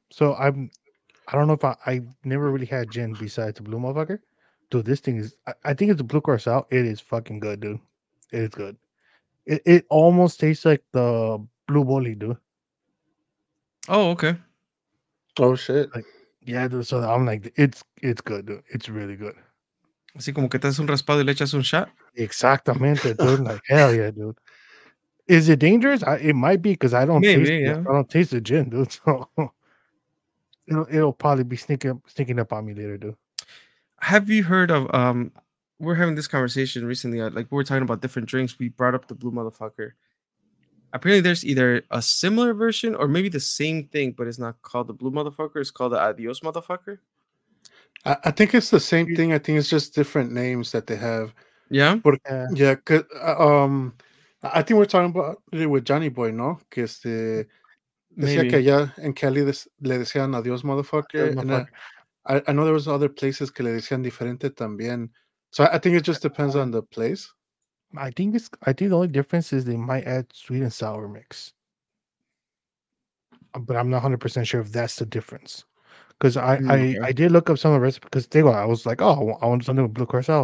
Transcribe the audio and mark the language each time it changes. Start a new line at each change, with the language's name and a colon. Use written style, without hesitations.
English: So I don't know if I never really had gin besides the Blue Motherfucker. Dude, this thing is, I think it's a Blue Curacao. It is fucking good, dude. It is good. It almost tastes like the Blue Boli, dude. Oh, okay. Oh, shit. Like, yeah, dude, so I'm like, it's good, dude. It's really good.
Spanish: Así como que te haces un raspado y le echas un shot.
English: Exactamente, dude. Like, hell yeah, dude. Is it dangerous? It might be, because I don't I don't taste the gin, dude. So it'll probably be sneaking up on me later, dude. Have you heard of, we're having this conversation recently, like we were talking about different drinks. We brought up the Blue Motherfucker. Apparently there's either a similar version or maybe the same thing, but it's not called the Blue Motherfucker. It's called the Adios Motherfucker. I think it's the same thing. I think it's just different names that they have. Yeah. I think we're talking about it with Johnny Boy, no?
Spanish: Que este, decía que allá en Cali le decían Adios Motherfucker.
English: I know there was other places
Spanish: que le decían diferente también.
English: So I think it just depends on the place. I think the only difference is they might add sweet and sour mix. But I'm not 100% sure if that's the difference. Because I did look up some of the recipes, because I was like, oh, I want something with Blue Curacao.